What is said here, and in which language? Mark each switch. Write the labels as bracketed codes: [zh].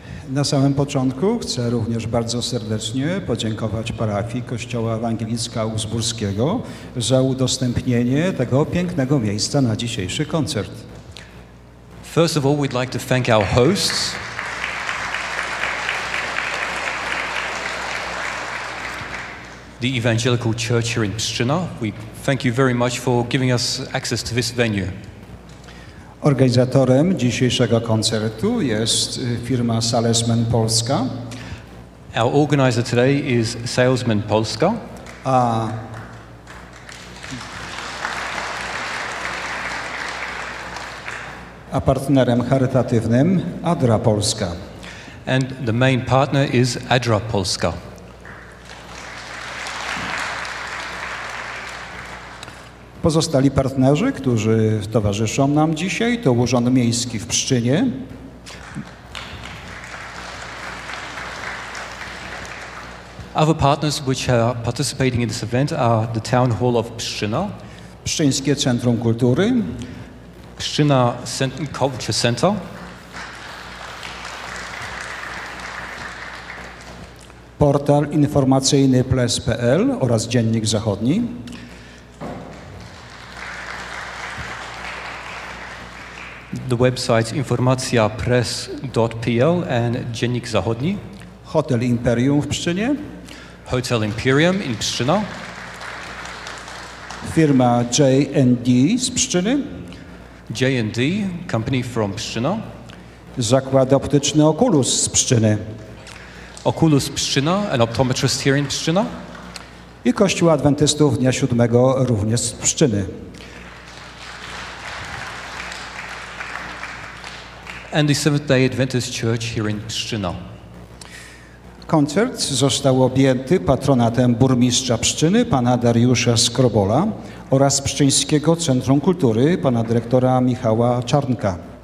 [pl] Na samym początku chcę również bardzo serdecznie podziękować parafii Kościoła Ewangelicka Augsburskiego za udostępnienie tego pięknego miejsca na dzisiejszy koncert. [en] First of all, we'd like to thank our hosts. The Evangelical Church here in Pszczyna. We thank you very much for giving us access to this venue. [pl] Organizatorem dzisiejszego koncertu jest firma Salesmen Polska. [en] Our organizer today is Salesmen Polska. [pl] A partnerem charytatywnym ADRA Polska. [en] And the main partner is ADRA Polska. [pl] Pozostali partnerzy, którzy towarzyszą nam dzisiaj, to Urząd Miejski w Pszczynie. [en] Other partners which are participating in this event are the Town Hall of Pszczyna. [pl] Pszczyńskie Centrum Kultury. [en] Pszczyna Culture Center. [pl] Portal informacyjny ples.pl oraz Dziennik Zachodni. [en] The websites informacjapress.pl and Dziennik Zachodni. [pl] Hotel Imperium w Pszczynie. [en] Hotel Imperium in Pszczyna. [pl] Firma J&D z Pszczyny. [en] J&D, company from Pszczyna. [pl] Zakład optyczny Okulus z Pszczyny. [en] Okulus Pszczyna, an optometrist here in Pszczyna. [pl] I Kościół Adwentystów Dnia Siódmego również z Pszczyny. [en] And the Seventh-day Adventist Church here in Pszczyna. [pl] Koncert został objęty patronatem burmistrza Pszczyny, pana Dariusza Skrobola oraz Pszczyńskiego Centrum Kultury, pana dyrektora Michała Czarnka.